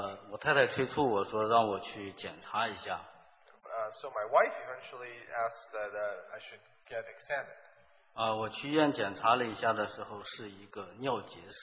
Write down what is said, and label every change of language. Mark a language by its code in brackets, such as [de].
[zh] 我太太催促我说让我去检查一下。 [en] So my wife eventually asked that I should get examined. [zh] 我去医院检查了一下的时候是一个尿结石。